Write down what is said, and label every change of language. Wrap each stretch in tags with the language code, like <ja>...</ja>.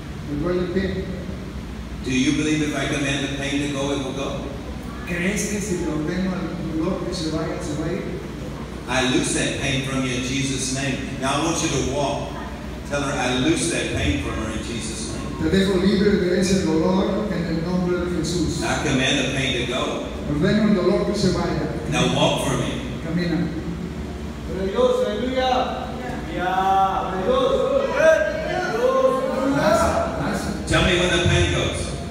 <en>Do you believe if I command the pain to go, it will go?</en> <es>¿Crees que si lo tengo al dolor que se vaya, se va a ir?</es> <en>I loose that pain from you in Jesus' name. Now I want you to walk. Tell her I loose that pain from her in Jesus' name.</en> <es>Te dejo libre de ese dolor en el nombre de Jesús.</es> <en>I command the pain to go.</en> <es>Ordeno el dolor que se vaya.</es> <en>Now walk for me.</en> <es>Camina.</es> <en>Tell me when the pain goes.</en>